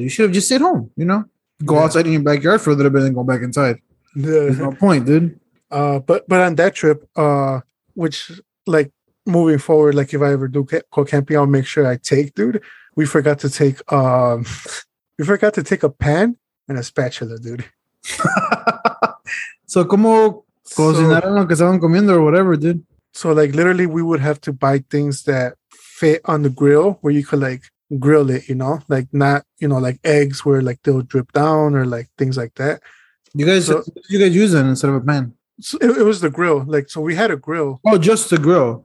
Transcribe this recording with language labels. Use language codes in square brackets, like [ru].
[en] You should have just stayed home, you know? Go outside in your backyard for a little bit and go back inside. There's no point, dude. But on that trip, which, like, moving forward, like, if I ever do go camping, I'll make sure I take, dude. We forgot to take a pan and a spatula, dude. So, [es] como cocinaron lo que estaban comiendo [en] or whatever, dude? So, like, literally, we would have to buy things that fit on the grill where you could, like, grill it, you know? Like, not, you know, like, eggs where, like, they'll drip down or, like, things like that. You guys use it instead of a pan? So it was the grill. Like, so we had a grill. Oh, just the grill?